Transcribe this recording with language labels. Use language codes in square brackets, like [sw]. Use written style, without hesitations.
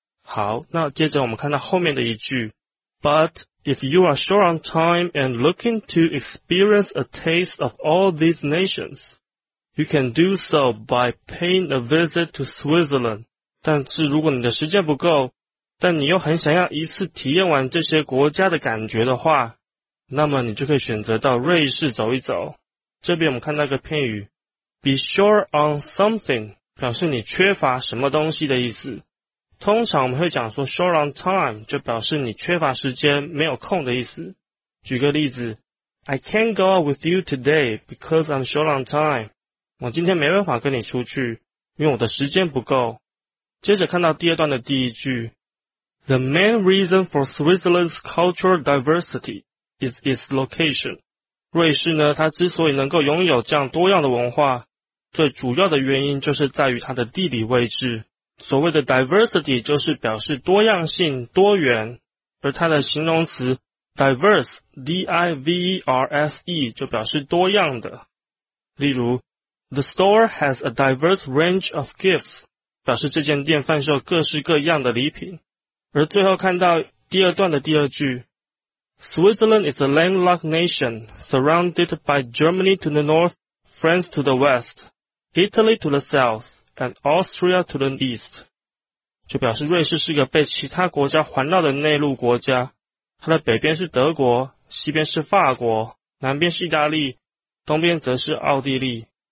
[zh] 好，那接着我们看到后面的一句 [en] But if you are short on time and looking to experience a taste of all these nations,You can do so by paying a visit to Switzerland. [zh] 但是如果你的时间不够，但你又很想要一次体验完这些国家的感觉的话，那么你就可以选择到瑞士走一走。这边我们看到一个片语 , [en] be short on something, [zh] 表示你缺乏什么东西的意思。通常我们会讲说 [en] short on time, [zh] 就表示你缺乏时间，没有空的意思。举个例子 [en] ,I can't go out with you today because I'm short on time. [zh] 我今天没办法跟你出去，因为我的时间不够。接着看到第二段的第一句 [en] The main reason for Switzerland's cultural diversity is its location. [zh] 瑞士呢，它之所以能够拥有这样多样的文化，最主要的原因就是在于它的地理位置。所谓的 diversity 就是表示多样性、多元，而它的形容词 diverse, D-I-V-E-R-S-E, 就表示多样的。例如 [en] ,the store has a diverse range of gifts, [zh] 表示这间店贩售各式各样的礼品。而最后看到第二段的第二句 [en] ,Switzerland is a landlocked nation, surrounded by Germany to the north, France to the west, Italy to the south, and Austria to the east. [zh] 就表示瑞士是个被其他国家环绕的内陆国家，它的北边是德国，西边是法国，南边是意大利，东边则是奥地利。